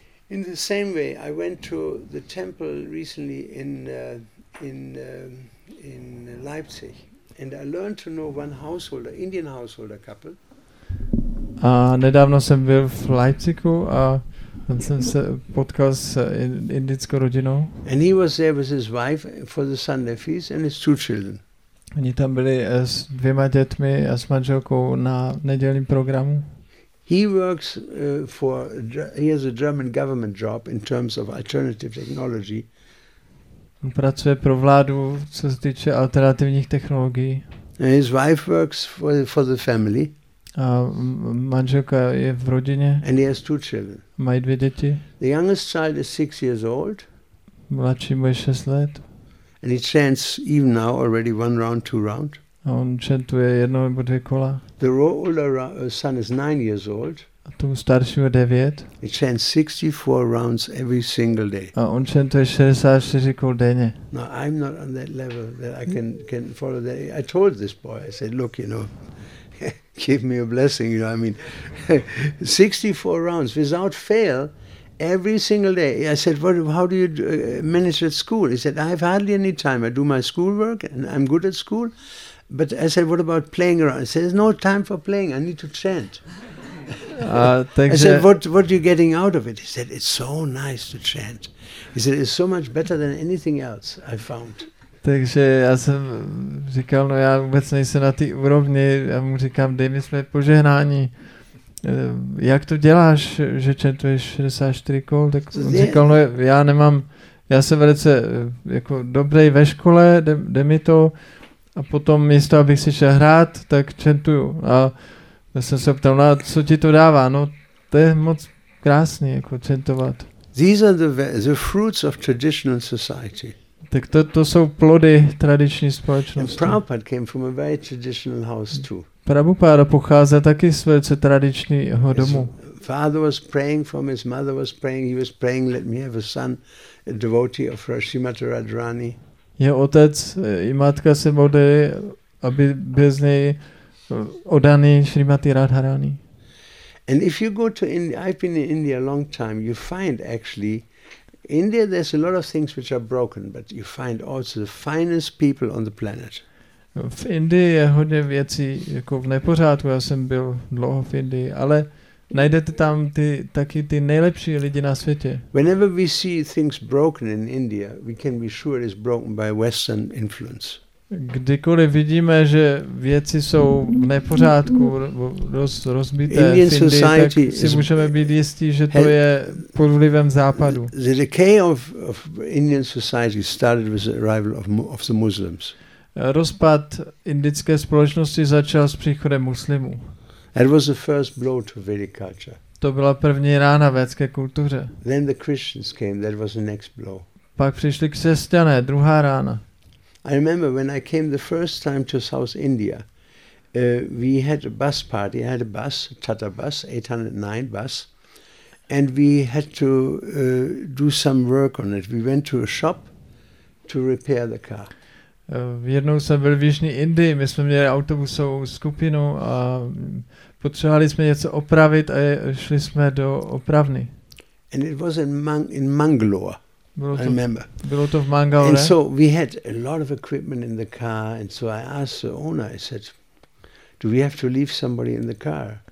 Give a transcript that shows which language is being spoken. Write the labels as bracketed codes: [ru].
[en] In the same way, I went to the temple recently in in Leipzig, and I learned to know one householder, Indian householder couple. [cs] A nedávno jsem byl v Leipzigu a tam jsem se potkal s indickou rodinou. [en] And he was there with his wife for the Sunday feast and his two children. [cs] Oni tam byli s dvěma dětmi a s manželkou na nedělním programu. [en] He works he has a German government job in terms of alternative technology. [cs] On pracuje pro vládu, co se týče alternativních technologií. [en] And his wife works for the family. [cs] A manželka je v rodině. [en] And he has two children. [cs] Mají dvě děti. [en] The youngest child is 6 years old. [cs] Mladší mu je 6 let. [en] And he chants even now already one round, two round. [cs] A on chantuje jedno nebo dvě kola. [en] The older son is 9 years old. [cs] A tomu staršímu je 9. [en] He chants 64 rounds every single day. [cs] A on chantuje 64 kol denně. [en] No, I'm not on that level that I can follow that. I told this boy, I said, look, you know, give me a blessing, you know what I mean? 64 rounds without fail. Every single day. I said, how do you manage at school? He said, I have hardly any time. I do my schoolwork and I'm good at school. But I said, what about playing around? He said, there's no time for playing. I need to chant. I said, what are you getting out of it? He said, it's so nice to chant. He said, it's so much better than anything else I found. [cs] Takže já jsem říkal, no já vůbec nejsem na té úrovni. Já mu říkám, dej mi své požehnání. Jak to děláš, že chantuješ 64 kol? Tak on říkal, no já nemám, já jsem velice jako dobrý ve škole, jde mi to, a potom místo, abych si šel hrát, tak chantuju. A já jsem se ptal, no co ti to dává? No to je moc krásný, jako chantovat. [en] These are the fruits of traditional society. [cs] Tak to jsou plody tradiční společnosti. [en] And Prabhupada came from a very traditional house too. [cs] Prabhupada pocházel taky z velice tradičního domu. [en] Father was praying for him, his mother was praying, he was praying, let me have a son, a devotee of Srimati Radharani. [cs] Jeho otec i matka se modlili, aby byl z něj oddaný Srimati Radharani. [en] And if you go to India, I've been in India a long time, you find actually, in India there's a lot of things which are broken, but you find also the finest people on the planet. [cs] V Indii je hodně věcí jako v nepořádku, já jsem byl dlouho v Indii, ale najdete tam taky ty nejlepší lidi na světě. [en] Whenever we see things broken in India, we can be sure it's broken by Western influence. [cs] Kdykoliv vidíme, že věci jsou v nepořádku, rozbité Indian v Indii, tak si můžeme být jistí, že to je pod vlivem západu. [en] The decay of Indian society started with the arrival of the Muslims. [cs] Rozpad indické společnosti začal s příchodem muslimů. [en] That was the first blow to Vedic culture. [cs] To byla první rána védské kultuře. [en] Then the Christians came, that was the next blow. [cs] Pak přišli křesťané, druhá rána. [en] I remember when I came the first time to South India, we had a bus party, I had a bus, Tata bus, 809 bus, and we had to do some work on it. We went to a shop to repair the car. [cs] Jednou jsem byl v jižní Indii, my jsme měli autobusovou skupinu a potřebovali jsme něco opravit a šli jsme do opravny. [en] And it was in Mangalore. [cs] Bylo to v Mangalore. [en] And so we had a lot of equipment in the car, and so I asked the owner, I said, do we have to leave somebody in the car?